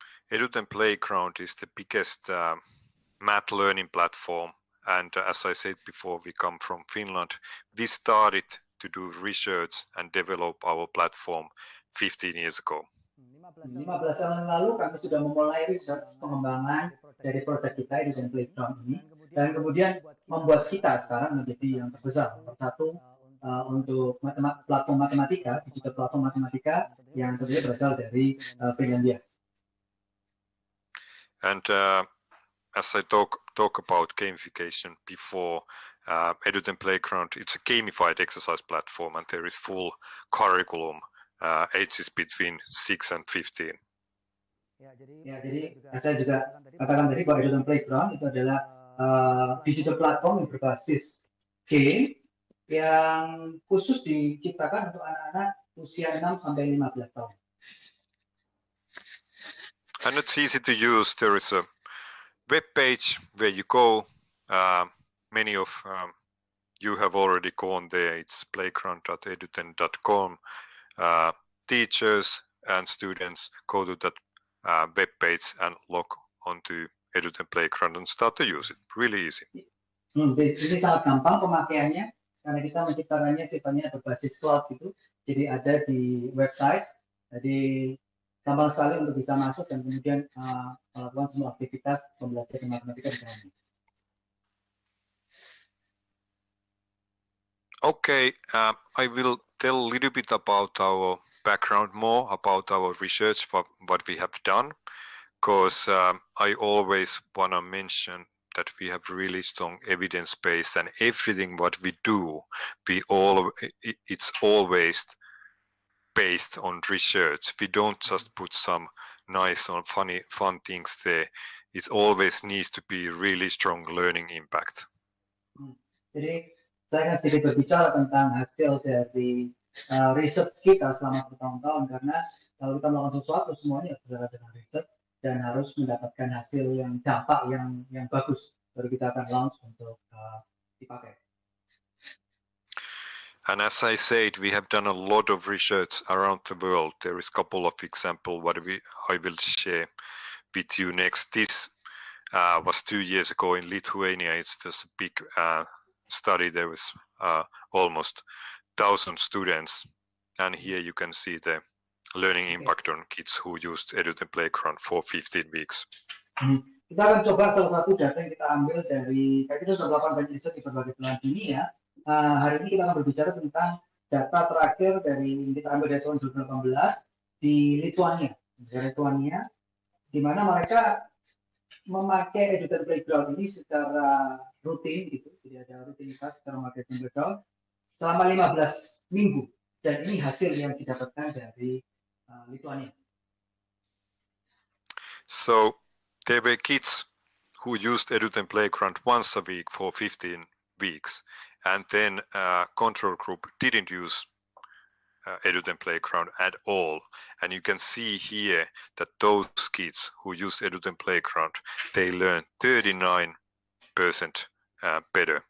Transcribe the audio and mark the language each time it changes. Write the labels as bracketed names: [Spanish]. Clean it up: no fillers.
[English] EDUTEN Playground is the biggest math learning platform. And as I said before, we come from Finland. We started to do research and develop our platform 15 years ago. [Indonesian] 15 tahun lalu kami sudah memulai riset pengembangan dari produk kita di EDUTEN Playground ini dan kemudian membuat kita sekarang menjadi yang terbesar nomor satu untuk platform matematika, digital platform matematika yang terdiri berasal dari Finlandia. [English] And as I talk about gamification before, EDUTEN Playground, it's a gamified exercise platform and there is full curriculum. Ages between 6 and 15. [Indonesian] Ya, jadi saya juga katakan tadi bahwa EDUTEN Playground itu adalah digital platform yang berbasis game yang khusus diciptakan untuk anak-anak usia 6 sampai 15 tahun. [English] And it's easy to use. There is a web page where you go. Many of you have already gone there. It's playground.eduten.com. Teachers and students go to that web page and log onto EDUTEN Playground and start to use it. Really easy. [Indonesian] Ini sangat gampang pemakaiannya karena kita menciptakannya sifatnya berbasis cloud gitu. Jadi ada di website. Jadi gampang sekali untuk bisa masuk dan kemudian melakukan semua aktivitas pembelajaran matematika di dalamnya. [English] Okay, I will tell a little bit about our background more, about our research, what we have done, because I always want to mention that we have really strong evidence base and everything what we do, it's always based on research. We don't just put some nice or fun things there. It always needs to be really strong learning impact. [Indonesian] Saya akan sedikit berbicara tentang hasil dari research kita selama bertahun-tahun karena kalau kita melakukan sesuatu semuanya berdasarkan riset dan harus mendapatkan hasil yang dampak yang bagus baru kita akan launch untuk dipakai. [English] And as I said, we have done a lot of research around the world. There is a couple of examples what I will share with you next. This was 2 years ago in Lithuania. It was a big study. There was almost 1,000 students. And here you can see the learning impact on kids who used EDUTEN Playground for 15 weeks. [Indonesian] Kita akan coba salah satu data yang kita ambil dari, kita sudah melakukan banyak riset di berbagai belahan dunia. Hari ini kita akan berbicara tentang data terakhir dari kita ambil dari tahun 2018 di Lithuania. Di mana mereka memakai EDUTEN Playground ini secara rutin, gitu. Jadi ada rutinitas secara memakai EDUTEN Playground selama 15 minggu. Dan ini hasil yang didapatkan dari Lithuania. [English] So, there were kids who used EDUTEN Playground once a week for 15 weeks. And then control group didn't use EDUTEN Playground at all. And you can see here that those kids who use EDUTEN Playground, they learn 39% better.